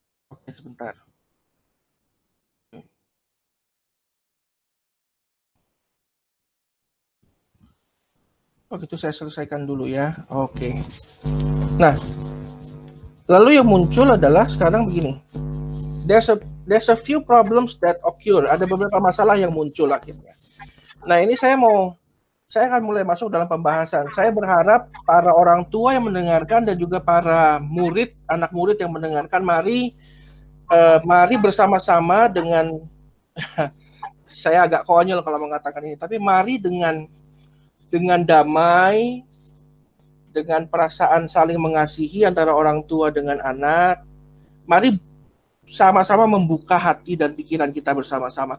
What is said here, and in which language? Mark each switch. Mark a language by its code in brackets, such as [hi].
[id] Oke, sebentar. Oke, itu saya selesaikan dulu ya. Oke. Nah, lalu yang muncul adalah sekarang begini. [en] There's a few problems that occur. [id] Ada beberapa masalah yang muncul akhirnya. Nah, ini saya akan mulai masuk dalam pembahasan. Saya berharap para orang tua yang mendengarkan dan juga para murid, anak murid yang mendengarkan, mari bersama-sama dengan, saya agak konyol kalau mengatakan ini, tapi mari dengan damai, dengan perasaan saling mengasihi antara orang tua dengan anak, mari sama-sama membuka hati dan pikiran kita bersama-sama.